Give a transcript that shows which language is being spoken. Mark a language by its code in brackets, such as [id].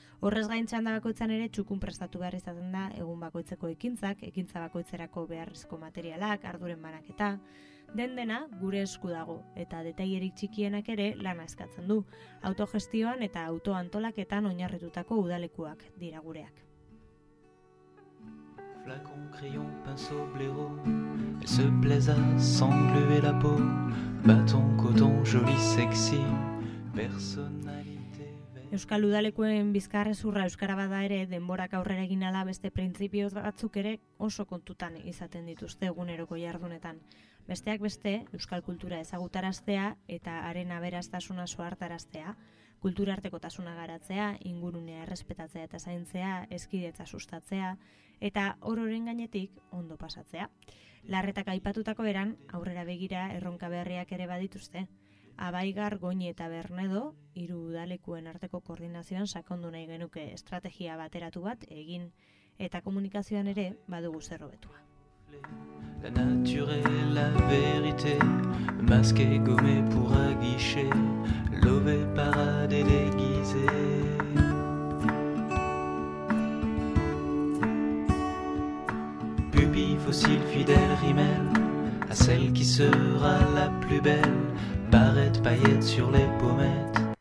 [eu] Horrez gain txanda bakoitzan ere txukun prestatu behar izaten da egun bakoitzeko ekintzak, ekintza bakoitzerako beharrezko materialak, arduren banaketa. Den dena gure esku dago eta detailerik txikienak ere lana eskatzen du. Autogestioan eta autoantolaketan oinarritutako udalekuak dira gureak. [fr] Flacon, crayon, pinceau, blaireau, elle se plaise à s'engluer la peau, bâton, coton, joli, sexy, personnalité. [eu] Euskal udalekuen bizkarrezurra euskara bada ere, denborak aurrera egin ala beste printzipio batzuk ere oso kontutan izaten dituzte eguneroko jardunetan. Besteak beste, euskal kultura ezagutaraztea eta haren aberastasuna sohartaraztea, kulturartekotasuna garatzea, ingurunea errespetatzea eta zaintzea, hezkidetza sustatzea eta ororen gainetik ondo pasatzea. Larretak aipatutako eran, aurrera begira erronka berriak ere badituzte. Abaigar, Goñi eta Bernedo, hiru udalekuen arteko koordinazioan sakondu nahi genuke estrategia bateratu bat egin eta komunikazioan ere badugu zer hobetua. [fr] La nature et la vérité, masqué gommé pour aguicher, lové parade déguisé. Pupille fossile fidèle rimel, à celle qui sera la plus belle, barrette paillette sur les pommettes.